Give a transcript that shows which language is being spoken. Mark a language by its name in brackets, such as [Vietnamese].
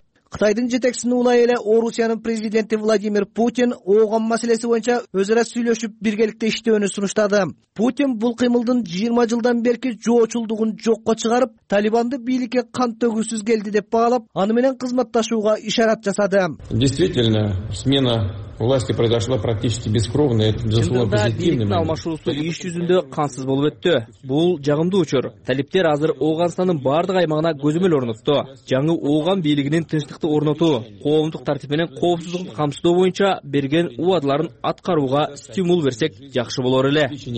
[Kyrgyz] Кытайдын жетекчисине улай эле Орусиянын президенти Владимир Путин Ооган маселеси боюнча өз ара сүйлөшүп биргеликте иштөөнү сунуштады. Путин бул кыймылдын 20 жылдан берки жоочулдугун жокко чыгарып, Талибанды бийликке кан төгүүсүз келди деп баалап, аны менен кызматташууга ишарат жасады. [Russian] Действительно, смена власти произошла практически бескровно, это безусловно позитивный [Kyrgyz] алмашуусу иш жүзүндө кансыз болуп өттү. Бул жагымдуу учур. Талиптер азыр Оогонстандын баардык аймагына көзөмөл орнотту. Жаңы Ооган бийлигинин тынчтыкты орнотуу, коомдук тартип менен коопсуздукту камсыздоо боюнча берген убадаларын аткарууга стимул берсек жакшы болор эле.